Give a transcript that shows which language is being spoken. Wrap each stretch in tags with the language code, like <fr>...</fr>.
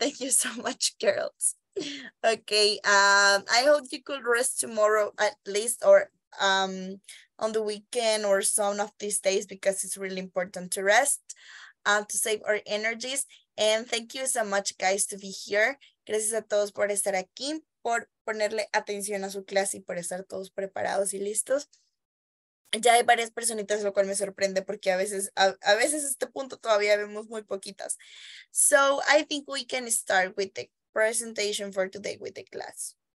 <en>Thank you so much, girls. Okay. I hope you could rest tomorrow at least, or on the weekend or some of these days, because it's really important to rest to save our energies. And thank you so much, guys, to be here.</en> <es>Gracias a todos por estar aquí, por ponerle atención a su clase y por estar todos preparados y listos. Ya hay varias personitas, lo cual me sorprende porque a veces a este punto todavía vemos muy poquitas.</es> <en>So I think we can start with the presentation for today with the class.</en>